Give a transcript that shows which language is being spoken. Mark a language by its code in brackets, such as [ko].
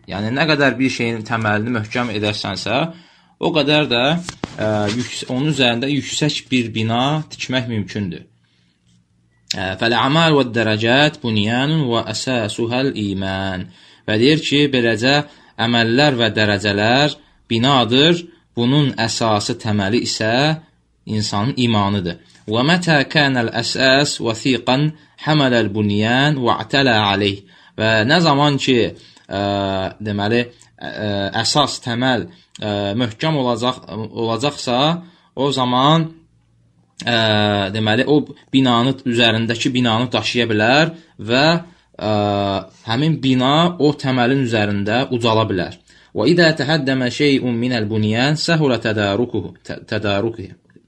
[az] Yəni nə qədər bir şeyin təməlini möhkəm edərsənsə, o qədər də onun üzərində yüksək bir bina tikmək mümkündür. [ar] Fəl-əmal və dərəcət bunyanun və əsasuhəl iman. [az] Və deyir ki, beləcə əməllər və dərəcələr binadır, bunun əsası təməli isə insanın imanıdır. [ar] ومتى كان الاساس وثيقا حمل البنيان واعتلى عليه. [az] Və nə zaman ki deməli əsas təməl möhkəm olacaqsa, o zaman deməli o binanın üzərindəki binanı daşıya bilər və həmin bina o təməlin üzərində ucala bilər. [ar] وإذا تهدم شيء من البنيان سهل تداركه.